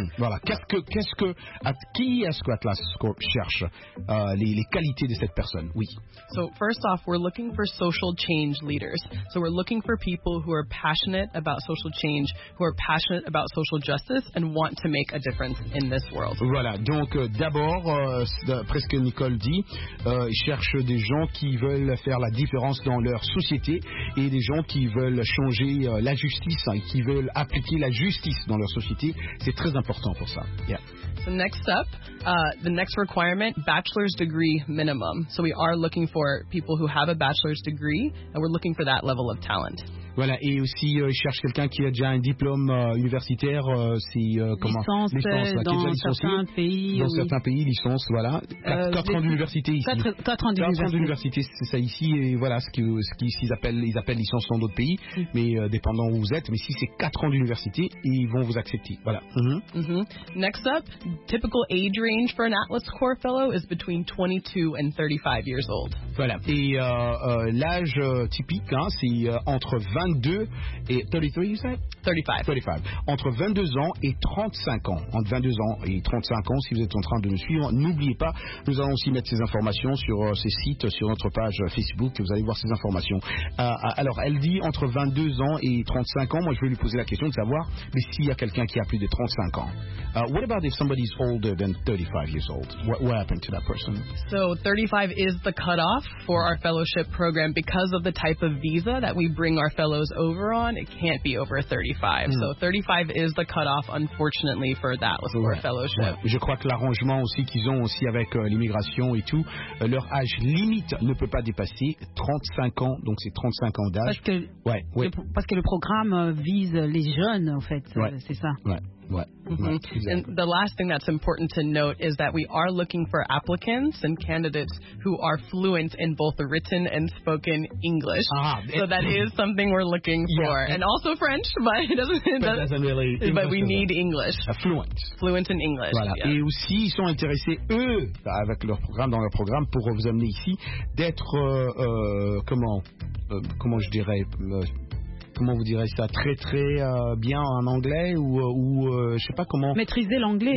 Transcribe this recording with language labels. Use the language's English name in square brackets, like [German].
[French] Voilà. Qui est-ce que Atlas Corps cherche? Les qualités de cette personne, oui. [English] So, first off, we're looking for social change leaders. So we're looking for people who are passionate about social change, who are passionate about social justice and want to make a difference in this world. [French] Voilà. Donc d'abord, presque Nicole dit, cherche des gens qui veulent faire la différence dans leur société et des gens qui veulent changer la justice et qui veulent appliquer la justice dans leur société. C'est très important pour ça. Yeah. [English] So next up, the next requirement, bachelor's degree minimum. So we are looking for people who have a bachelor's degree, and we're looking for that level of talent. Voilà, et aussi, ils cherchent quelqu'un qui a déjà un diplôme universitaire, licence, voilà. Quatre ans d'université, c'est ça ici, et voilà, ils appellent licence dans d'autres pays, mais dépendant où vous êtes, mais si c'est 4 ans d'université, ils vont vous accepter, voilà. Next up, typical age range for an Atlas Corps fellow is between 22 and 35 years old. [French] Voilà, et l'âge typique, hein, c'est entre 22 et 33, [English] you said? 35. [French] Entre 22 ans et 35 ans. Entre 22 ans et 35 ans, si vous êtes en train de nous suivre, n'oubliez pas, nous allons aussi mettre ces informations sur ces sites, sur notre page Facebook, vous allez voir ces informations. Alors, elle dit entre 22 ans et 35 ans, moi je vais lui poser la question de savoir, mais s'il y a quelqu'un qui a plus de 35 ans. [English] What about if somebody's older than 35 years old? What happened to that person? So, 35 is the cutoff for our fellowship program. Because of the type of visa that we bring our fellows over on, it can't be over 35. So 35 is the cutoff, unfortunately, for that fellowship. [French] Ouais. Je crois que l'arrangement aussi qu'ils ont aussi avec l'immigration et tout, leur âge limite ne peut pas dépasser 35 ans. Donc c'est 35 ans d'âge. Parce que, parce que le programme vise les jeunes, en fait, c'est ça. Ouais. Exactly. [English] And the last thing that's important to note is that we are looking for applicants and candidates who are fluent in both written and spoken English. So that is something we're looking for. Yeah. And also French, but we need English. Fluent. Fluent in English. [French] Voilà. Yeah. Et aussi, ils sont intéressés, eux, avec leur programme, dans leur programme, pour vous amener ici, d'être, comment vous dirais-je ça, très très bien en anglais ou je sais pas comment maîtriser l'anglais.